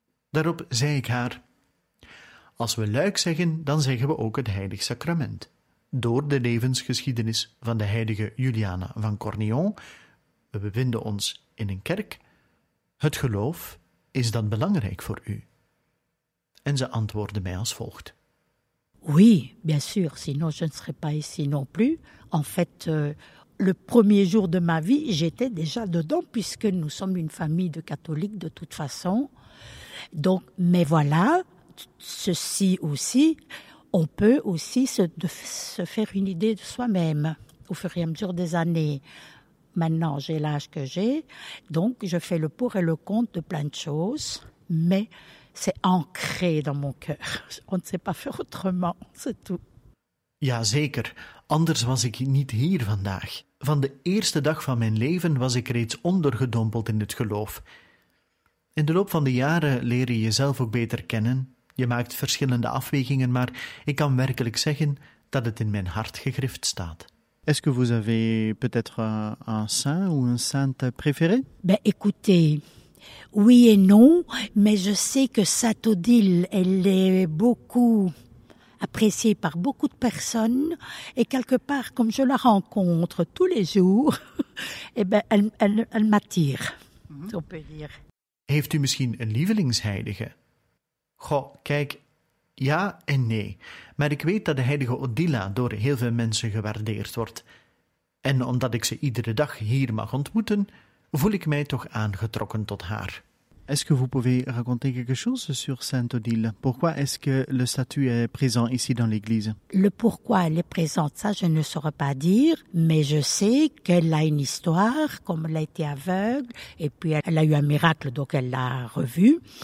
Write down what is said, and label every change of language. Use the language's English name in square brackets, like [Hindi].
[Dutch] Daarop zei ik haar: als we Luik zeggen, dan zeggen we ook het Heilig Sacrament. Door de levensgeschiedenis van de heilige Juliana van Cornillon, we bevinden ons in een kerk, het geloof is dan belangrijk voor u. En ze antwoordde mij als volgt: [French] oui, bien sûr, sinon je ne serais pas ici non plus. En fait, le premier jour de ma vie, j'étais déjà dedans, puisque nous sommes une famille de catholiques de toute façon. Donc, mais voilà, ceci aussi, on peut aussi se faire une idée de soi-même au fur et à mesure des années. Maintenant, j'ai l'âge que j'ai, donc je fais le pour et le contre de plein de choses, mais c'est ancré dans mon cœur. On ne sait pas faire autrement, c'est tout. [Dutch] Ja, zeker. Anders was ik niet hier vandaag. Van de eerste dag van mijn leven was ik reeds ondergedompeld in het geloof. In de loop van de jaren leer je jezelf ook beter kennen. Je maakt verschillende afwegingen, maar ik kan werkelijk zeggen dat het in mijn hart gegrift staat. [French] Est-ce que vous avez peut-être un saint ou une sainte préférée? Ben écoutez, oui et non, mais je sais que Sainte Odile, elle est beaucoup appréciée par beaucoup de personnes et quelque part, comme je la rencontre tous les jours, eh ben elle m'attire, mm-hmm. On peut dire. [Dutch] Heeft u misschien een lievelingsheilige? Goh, kijk, ja en nee. Maar ik weet dat de heilige Odila door heel veel mensen gewaardeerd wordt. En omdat ik ze iedere dag hier mag ontmoeten, voel ik mij toch aangetrokken tot haar. [French] Est-ce que vous pouvez raconter quelque chose sur Sainte Odile? Pourquoi est-ce que le statut est présent ici dans l'église? Le pourquoi elle est présente, ça je ne saurais pas dire, mais je sais qu'elle a une histoire, comme elle a été aveugle, et puis elle a eu un miracle, donc elle l'a revue.